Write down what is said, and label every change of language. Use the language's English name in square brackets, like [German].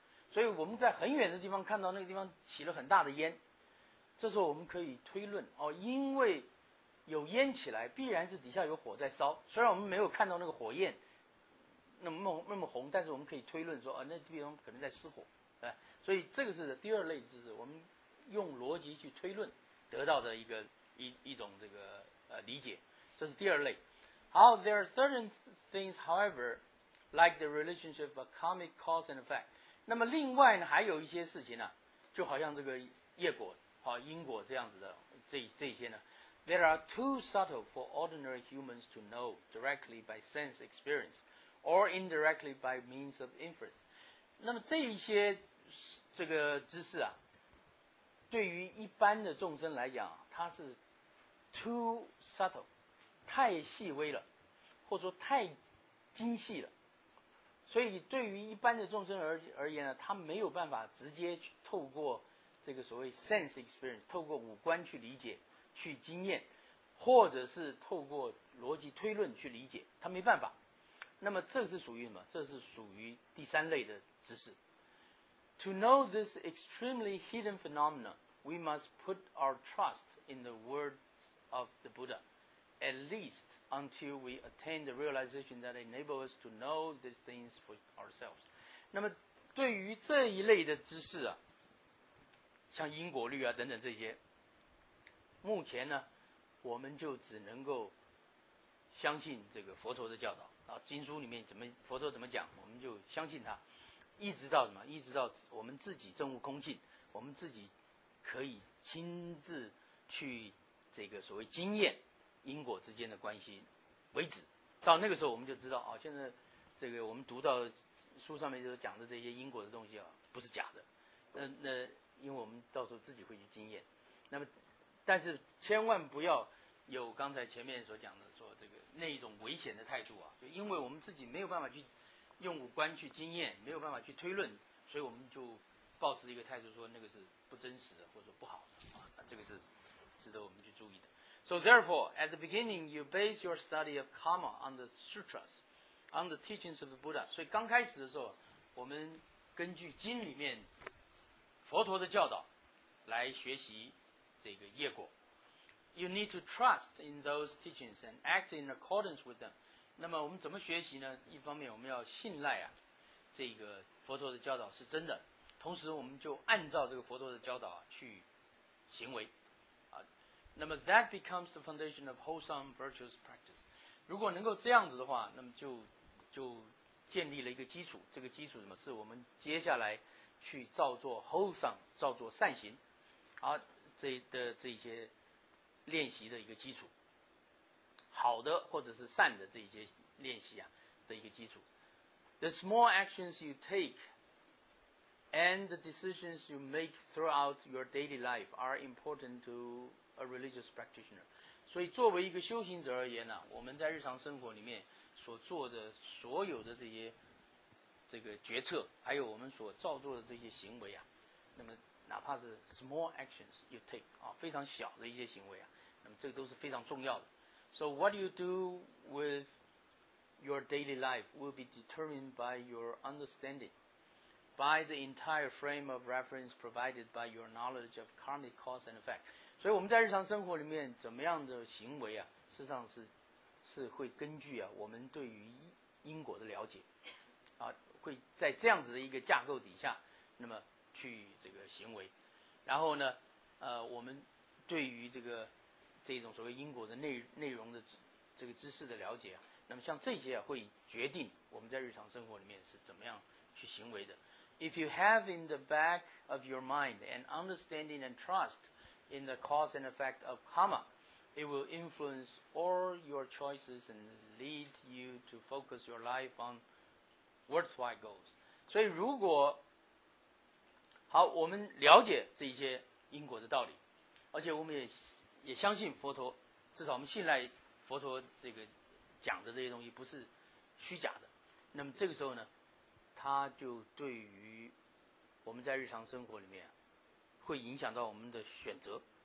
[Chinese] 所以我们在很远的地方看到那个地方起了很大的烟，这时候我们可以推论哦，因为有烟起来，必然是底下有火在烧。虽然我们没有看到那个火焰那么红，但是我们可以推论说啊、哦，那地方可能在失火，对吧？所以这个是第二类知识，我们用逻辑去推论得到的一种这个理解，这是第二类。 [English] 好 ，there are certain things, however, like the relationship of karmic cause and effect. [Chinese] 那么另外呢，还有一些事情呢、啊，就好像这个业果、好、啊、因果这样子的，这些呢 ， [English] there are too subtle for ordinary humans to know directly by sense experience or indirectly by means of inference。 [Chinese] 那么这一些这个知识啊，对于一般的众生来讲、啊，它是 [English] too subtle， [Chinese] 太细微了，或者说太精细了。所以对于一般的众生而言呢，他没有办法直接去透过这个所谓 [English] sense experience， [Chinese] 透过五官去理解去经验，或者是透过逻辑推论去理解，他没办法。那么这是属于什么？这是属于第三类的知识。 [English] To know this extremely hidden phenomena, we must put our trust in the words of the Buddha. At least until we attain the realization that enables us to know these things for ourselves. [Chinese] 那么对于这一类的知识啊，像因果律啊等等这些，目前呢，我们就只能够相信这个佛陀的教导啊，经书里面怎么佛陀怎么讲，我们就相信他，一直到什么？一直到我们自己证悟空性，我们自己可以亲自去这个所谓经验。因果之间的关系为止，到那个时候我们就知道啊、哦，现在这个我们读到书上面就是讲的这些因果的东西啊，不是假的。那因为我们到时候自己会去经验，那么但是千万不要有刚才前面所讲的说这个那一种危险的态度啊，就因为我们自己没有办法去用五官去经验，没有办法去推论，所以我们就抱持一个态度说那个是不真实的或者说不好的啊，那这个是值得我们去注意的。 [English] So therefore, at the beginning, you base your study of karma on the sutras, on the teachings of the Buddha. [Chinese] 所以刚开始的时候，我们根据经里面佛陀的教导来学习这个业果。 [English] You need to trust in those teachings and act in accordance with them. [Chinese] 那么我们怎么学习呢？一方面我们要信赖啊，这个佛陀的教导是真的，同时我们就按照这个佛陀的教导、啊、去行为。 [English] 那么 that becomes the foundation of wholesome virtuous practice. [Chinese] 如果能够这样子的话，那么就建立了一个基础。这个基础什么？是我们接下来去造作 wholesome， 造作善行，而、啊、这些练习的一个基础，好的或者是善的这些练习啊的一个基础。 [English] The small actions you take and the decisions you make throughout your daily life are important to a religious practitioner. [Chinese] 所以作为一个修行者而言呢、啊、我们在日常生活里面所做的所有的这些这个决策，还有我们所造作的这些行为啊，那么哪怕是 [English] small actions you take [Chinese] 啊，非常小的一些行为啊，那么这个都是非常重要的。 [English] So what you do with your daily life will be determined by your understanding, by the entire frame of reference provided by your knowledge of karmic cause and effect. [Chinese] 所以我们在日常生活里面怎么样的行为啊，事实上是会根据啊我们对于因果的了解啊，会在这样子的一个架构底下，那么去这个行为，然后呢，我们对于这种所谓因果的内容的这个知识的了解啊，那么像这些啊，会决定我们在日常生活里面是怎么样去行为的。 [English] If you have in the back of your mind an understanding and trust in the cause and effect of karma, it will influence all your choices and lead you to focus your life on worthwhile goals. [Chinese] 所以如果好，我们了解这些因果的道理，而且我们也相信佛陀，至少我们信赖佛陀这个讲的这些东西不是虚假的，那么这个时候呢，它就对于我们在日常生活里面会影响到我们的选择。